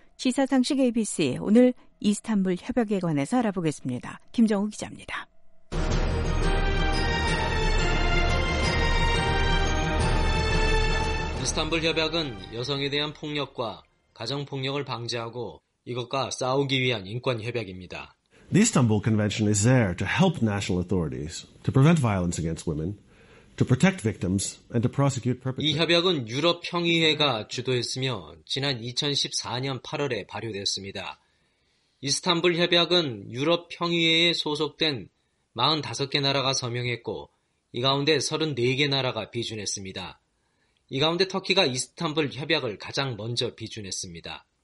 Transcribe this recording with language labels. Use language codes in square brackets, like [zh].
[ko] 시사상식 ABC 오늘 이스탄불 협약에 관해서 알아보겠습니다. 김정우 기자입니다. 이스탄불 협약은 여성에 대한 폭력과 가정폭력을 방지하고 이것과 싸우기 위한 인권 협약입니다. [en] The Istanbul Convention is there to help national authorities to prevent violence against women, to protect victims, and to prosecute [ko] 이 [en] perpetrators. [ko] 협약은 유럽 평의회가 주도했으며 지난 2014년 8월에 발효됐습니다. 이스탄불 협약은 유럽 평의회에 소속된 45개 나라가 서명했고, 이 가운데 34개 나라가 비준했습니다. 이 가운데 터키가 이스탄불 협약을 가장 먼저 비준했습니다.